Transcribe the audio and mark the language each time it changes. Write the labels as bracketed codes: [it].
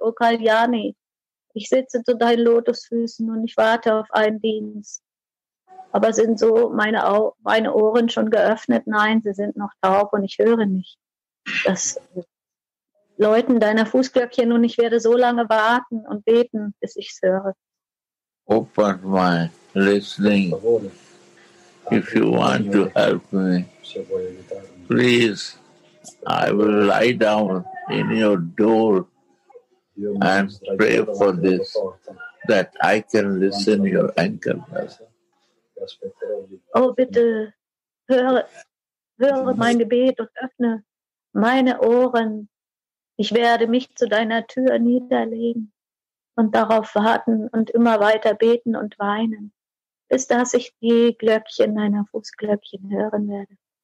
[de] O Kalyani, ich sitze zu deinen Lotusfüßen und ich warte auf einen Dienst. Aber sind so meine Ohren schon geöffnet? Nein, sie sind noch taub und ich höre nicht das Läuten deiner Fußglöckchen und ich werde so lange warten und beten, bis ich es höre. [en] Open my listening. If you want to help me, please, I will lie down in your door and pray for this, that I can listen your ankle bells. [de] Oh, bitte, höre mein Gebet und öffne meine Ohren. Ich werde mich zu deiner Tür niederlegen und darauf warten und immer weiter beten und weinen, bis dass ich die Glöckchen deiner Fußglöckchen hören werde.